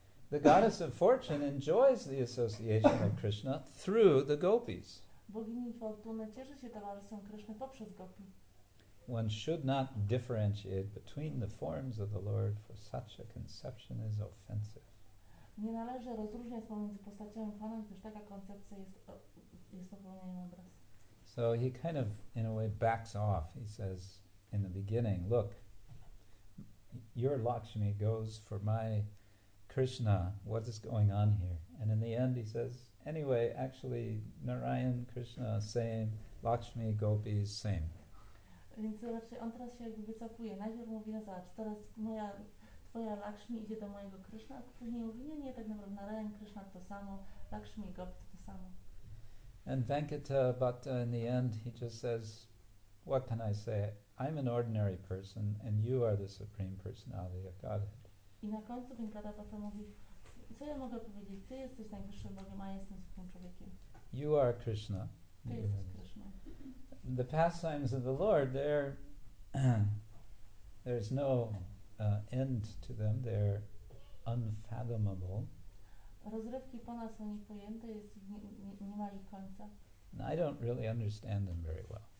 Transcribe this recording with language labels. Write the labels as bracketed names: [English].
[English] The goddess of fortune enjoys the association of Krishna through the gopis. [Polish] Bogini fortuny cieszy się towarzystwem Krishna poprzez gopi. [English] One should not differentiate between the forms of the Lord, for such a conception is offensive. [Polish] Nie należy rozróżniać pomiędzy postaciami Pana, gdyż taka koncepcja jest popełnieniem obraz. [English] So he kind of, in a way, backs off. He says in the beginning, look, your Lakshmi goes for my Krishna, what is going on here? And in the end he says, anyway, actually, Narayan, Krishna, same, Lakshmi, gopis, same. [Polish] Więc raczej on teraz się jakby wycofuje. Najpierw mówi, no zobacz, teraz twoja Lakshmi idzie do mojego Krishna, a później mówi, nie, tak naprawdę, Narayan, Krishna to samo, Lakshmi, gopis to samo. [English] And Venkata Bhatta, in the end, he just says, what can I say? I'm an ordinary person, and you are the Supreme Personality of Godhead. [Polish] I na końcu Venkata Bhatta mówi, co ja mogę powiedzieć? Ty jesteś najwyższym Bogiem, a ja jestem zwykłym człowiekiem. [English] You are Krishna. [Polish] Ty jesteś Krishna. [English] The pastimes of the Lord, there's no end to them. They're unfathomable. [Polish] Rozrywki Pana są niepojęte, jest nie ma ich końca. [English] And I don't really understand them very well.